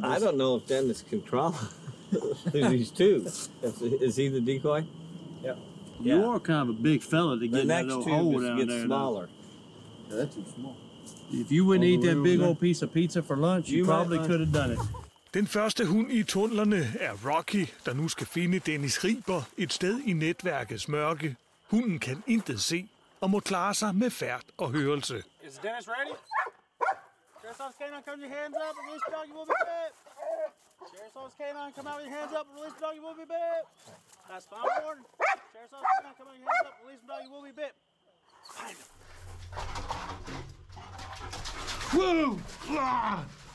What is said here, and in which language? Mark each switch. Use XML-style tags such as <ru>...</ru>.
<en>I don't know if Dennis can crawl through these tubes. Is he the decoy? Yep. Yeah. You are kind of a big fella to get that little hole down there. Gets smaller. Yeah, that's too small. If you wouldn't eat that big old piece of pizza for lunch, you probably could have done it.</en> <da>Den første hund i tunnelerne er Rocky, der nu skal finde Dennis Riber et sted i netværkets mørke. Hunden kan intet se og må klare sig med færd og hørelse.</da> <en>Is Dennis ready? Sheriff's canine, come with your hands up and release the dog, you will be bit. Sheriff's canine, come out with your hands up and release the dog, you will be bit. That's fine, Gordon. Sheriff's canine, come out with your hands up and release the dog, you will be bit.</en>